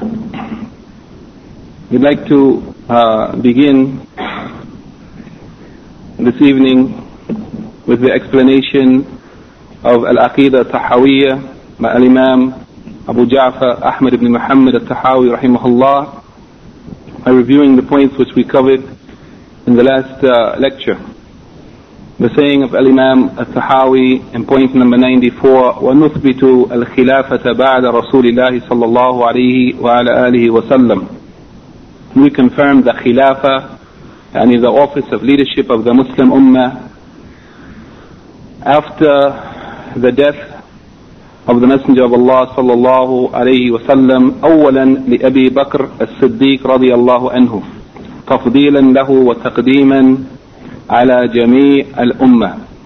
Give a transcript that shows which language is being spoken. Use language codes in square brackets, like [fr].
[en] We'd like to begin this evening with the explanation of Al-Aqidah Tahawiyyah by Al-Imam Abu Ja'far Ahmad ibn Muhammad al-Tahawi rahimahullah, by reviewing the points which we covered in the last lecture. The saying of Al-Imam Al-Tahawi in point number 94, [ar] وَنُثْبِتُ الْخِلَافَةَ بَعْدَ رَسُولِ اللَّهِ صَلَّى اللَّهُ عَلَيْهِ وَعَلَىٰ آلِهِ وَسَلَّمُ. [en] We confirm the khilafa, and the office of leadership of the Muslim Ummah, after the death of the Messenger of Allah [ar] صلى الله عليه وسلم, أولاً لأبي بكر الصديق رضي الله عنه, تفضيلاً له وتقديماً على جميع الأمة.